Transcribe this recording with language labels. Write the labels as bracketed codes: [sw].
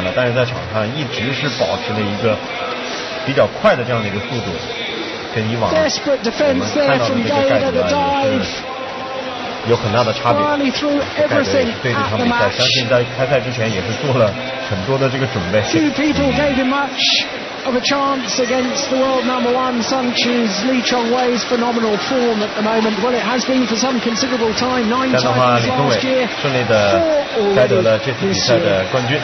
[zh] 这是非常精彩的一场，但是盖德应该也是知道双方的这个实力的差距，但是在整场比赛里面，盖德还是表现出了这样的一个运动员的这样的一个高龄的羽毛球运动员了，但是在场上一直是保持了一个 比较快的这样的一个速度，跟以往看到的盖德呢，是有很大的差别。对这场比赛，相信在开赛之前也是做了很多的这个准备。 [en] Two people gave him much of a chance against the world number one, Sung Chu's Lee Chong Wei's phenomenal form at the moment. Well, it has been for some considerable time, 9 times last year. [zh] 顺利的摘得了这次比赛的冠军。